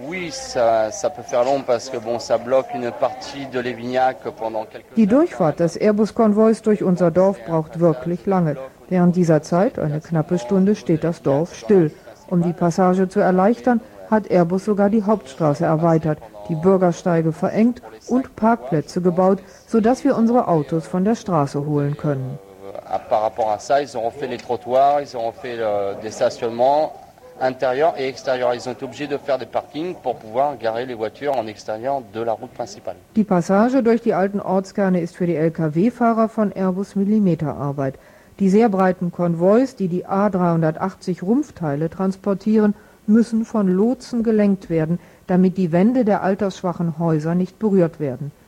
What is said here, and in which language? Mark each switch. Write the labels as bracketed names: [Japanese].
[German] Die Durchfahrt des Airbus-Konvois durch unser Dorf braucht wirklich lange. Während dieser Zeit, eine knappe Stunde, steht das Dorf still. Um die Passage zu erleichtern, hat Airbus sogar die Hauptstraße erweitert, die Bürgersteige verengt und Parkplätze gebaut, sodass wir unsere Autos von der Straße holen können. [French] Par rapport à ça, ils ont fait les trottoirs, ils ont fait des stationnements intérieurs et extérieurs. Ils ont été obligés de faire des parkings pour pouvoir garer les voitures en extérieur de la route principale. [German] Die Passage durch die alten Ortskerne ist für die Lkw-Fahrer von Airbus Millimeterarbeit. Die sehr breiten Konvois, die die A380 Rumpfteile transportieren, müssen von Lotsen gelenkt werden, damit die Wände der altersschwachen Häuser nicht berührt werden.